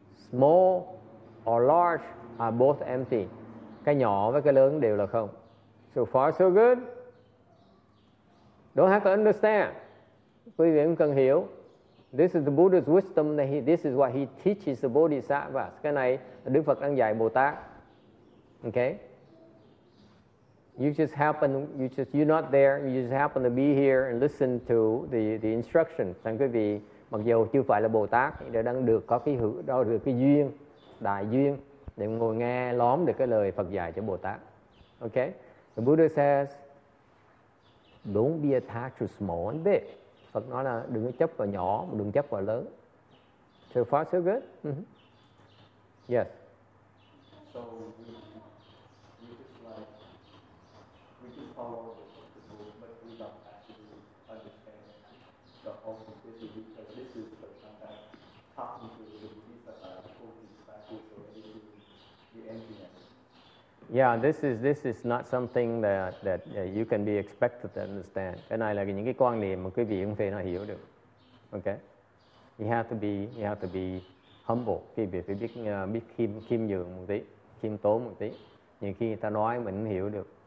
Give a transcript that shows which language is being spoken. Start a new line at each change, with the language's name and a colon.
English: Small or large are both empty.
Vietnamese: Cái nhỏ với cái lớn đều là không.
English: So far so good. Don't have to understand.
Vietnamese: Quý vị cũng cần hiểu.
English: This is the Buddha's wisdom. This is what he teaches the Bodhisattvas.
Vietnamese: Cái này Đức Phật đang dạy Bồ Tát.
English: Okay. You're not there. You just happen to be here and listen to the instruction.
Vietnamese: Thưa quý vị, mặc dù chưa phải là Bồ Tát, thì đang được có cái hữu, đó được cái duyên, đại duyên để ngồi nghe lóm được cái lời Phật dạy cho Bồ Tát.
English: Okay. The Buddha says, don't be attached to small and big.
Vietnamese: Phật nói là đừng chấp vào nhỏ, đừng chấp vào lớn.
English: So far, so good? Mm-hmm. Yes. So, we just like, we just follow the principles, but we don't actually understand the whole condition, because this is the contact, talking to the Buddhist about the emptiness. Yeah, this is not something that you can be expected to understand.
Vietnamese: Cái này là những cái quan niệm mà quý vị không thể nào hiểu được.
English: Okay, you have to be humble.
Vietnamese: Quý vị phải biết khiêm nhường một tí, khiêm tốn một tí. Nhiều khi người ta nói mình không hiểu được.